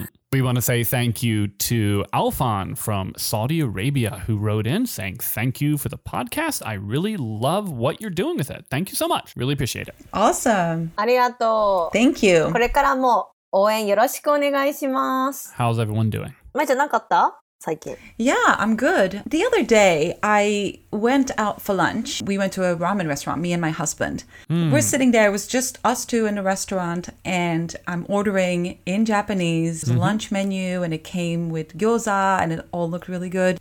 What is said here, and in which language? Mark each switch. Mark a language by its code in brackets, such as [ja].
[en] We want to say thank you to Alfon from Saudi Arabia who wrote in saying thank you for the podcast. I really love what you're doing with it. Thank you so much. Really appreciate it. Awesome. [ja] ありがとう。 [en] Thank you. [ja] これからも。応援よろしくお願いします。 [en] How's everyone doing? [ja] まいちゃん、何かあった？最近。 [en] Yeah, I'm good. The other day, I went out for lunch. We went to a ramen restaurant, me and my husband. We're sitting there, it was just us two in the restaurant, and I'm ordering in Japanese, lunch menu, and it came with gyoza, and it all looked really good.